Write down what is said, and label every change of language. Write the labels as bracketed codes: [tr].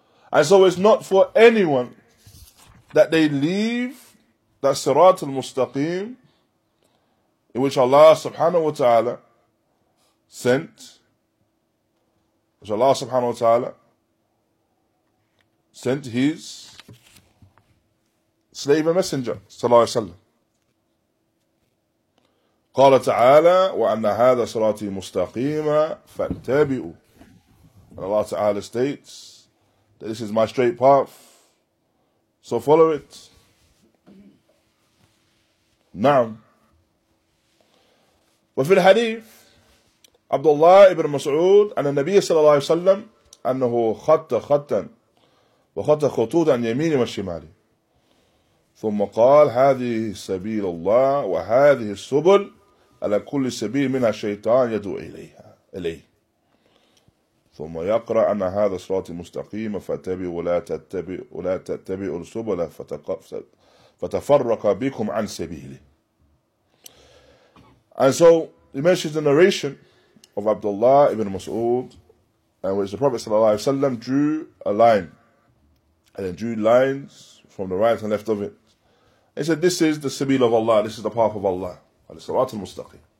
[en] And so it's not for anyone that they leave that Sirat al-Mustaqim in which Allah subhanahu wa ta'ala sent, which Allah subhanahu wa ta'ala sent His slave and messenger, sallallahu alayhi wa sallam. [ar] قَالَ تَعَالَى وَأَنَّ هَذَا صِرَاطِي مُسْتَقِيمًا فَانْتَبِئُوا. And Allah ta'ala states, this is my straight path, so follow it. Now, وفي الحديث عبد الله ابن مسعود أن النبي صلى الله عليه وسلم أنه خط خطا وخط خطوطا يمين والشمال ثم قال هذه سبيل الله وهذه السبل على كل سبيل منها الشيطان يدعو إليها إليه. ثم يقرأ أن هذا صراط مستقيم فاتبعوا ولا تتبعوا السبل فتفرق بكم عن سبيله. [en] And so he mentions the narration of Abdullah ibn Mas'ud, and which the Prophet sallallahu alaihi wasallam drew a line, and then drew lines from the right and left of it. He said, "This is the sabil of Allah. This is the path of Allah. Al-Sirat al-Mustaqim."